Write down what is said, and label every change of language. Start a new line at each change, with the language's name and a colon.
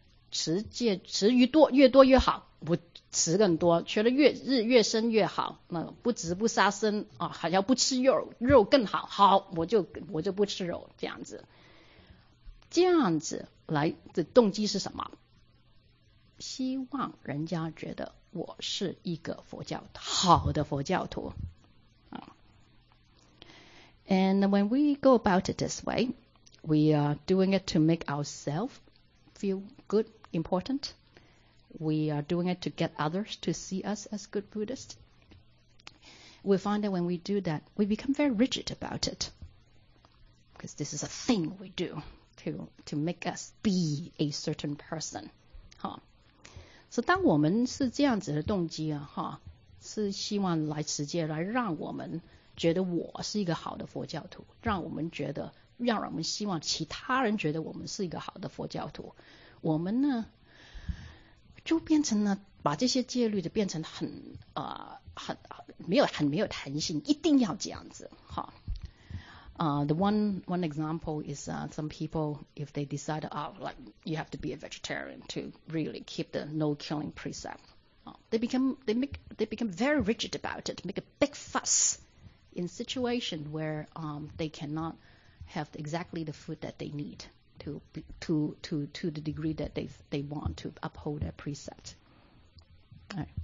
Chinese: 持于多越多越好，我持更多，觉得越深越好，那不执不杀生啊，还要不吃肉更好，好我就不吃肉，这样子来的动机是什么？希望人家觉得我是一个佛教好的佛教徒。
English: And when we go about it this way, we are doing it to make ourselves feel good, important. We are doing it to get others to see us as good Buddhist. We find that when we do that, we become very rigid about it. Because this is a thing we do to make us be a certain person. Huh?
Chinese: 所以当我们是这样子的动机啊，哈，是希望来持戒，来让我们觉得我是一个好的佛教徒，让我们希望其他人觉得我们是一个好的佛教徒，我们呢就变成了把这些戒律的变成很没有弹性，一定要这样子，哈。
English: The one example is some people, if they decide, you have to be a vegetarian to really keep the no killing precept. They become very rigid about it, make a big fuss in situation where they cannot have exactly the food that they need to the degree that they want to uphold their precept. All right.